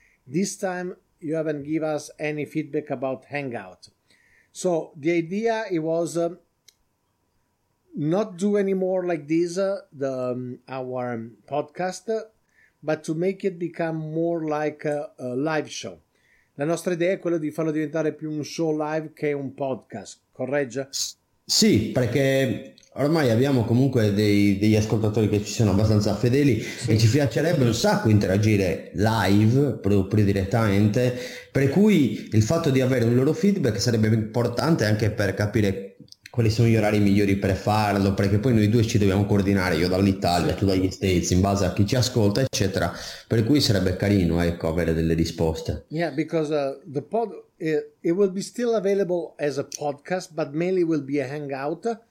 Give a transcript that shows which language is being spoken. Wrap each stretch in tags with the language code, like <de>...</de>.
<en>This time you haven't give us any feedback about Hangout. So the idea it was not do anymore like this our podcast, but to make it become more like a live show.</en> <it>La nostra idea è quella di farlo diventare più un show live che un podcast, corregge? Sì, perché ormai abbiamo comunque degli ascoltatori che ci sono abbastanza fedeli, sì. E ci piacerebbe un sacco interagire live, proprio direttamente, per cui il fatto di avere un loro feedback sarebbe importante anche per capire quali sono gli orari migliori per farlo, perché poi noi due ci dobbiamo coordinare, io dall'Italia, tu dagli States, in base a chi ci ascolta, eccetera. Per cui sarebbe carino, ecco, avere delle risposte.</it> <en>Yeah, because the pod it will be still available as a podcast, but mainly will be a hangout.</en>